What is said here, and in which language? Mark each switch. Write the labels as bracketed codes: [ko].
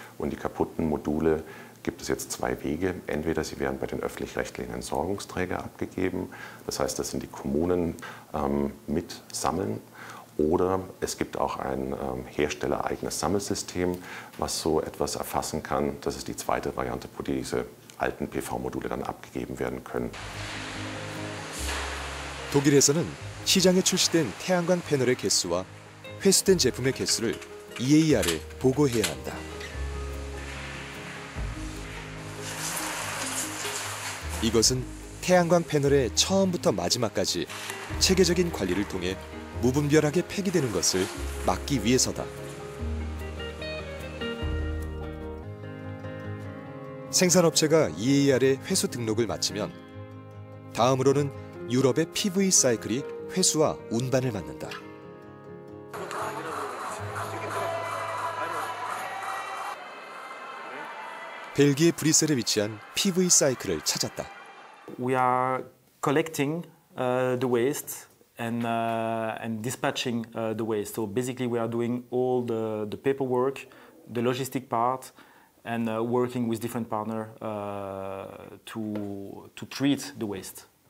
[de] Und die kaputten Module gibt es jetzt zwei Wege. Entweder sie werden bei den öffentlich-rechtlichen Entsorgungsträgern abgegeben. Das heißt, das sind die Kommunen mit sammeln. Oder es gibt auch ein herstellereigenes Sammelsystem, was so etwas erfassen kann. Das ist die zweite Variante, wo diese alten PV-Module dann abgegeben werden können. [ko] 독일에서는 시장에 출시된 태양광 패널의 개수와 회수된 제품의 개수를 EAR에 보고해야 한다. 이것은 태양광 패널의 처음부터 마지막까지 체계적인 관리를 통해 무분별하게 폐기되는 것을 막기 위해서다. 생산업체가 EAR의 회수 등록을 마치면 다음으로는 유럽의 PV 사이클이 회수와 운반을 맡는다. 벨기에 브뤼셀에 위치한 PV 사이클을 찾았다. [en] We are collecting the waste and dispatching the waste. So basically we are doing all the paperwork, the logistic part and working with different partner to treat the waste.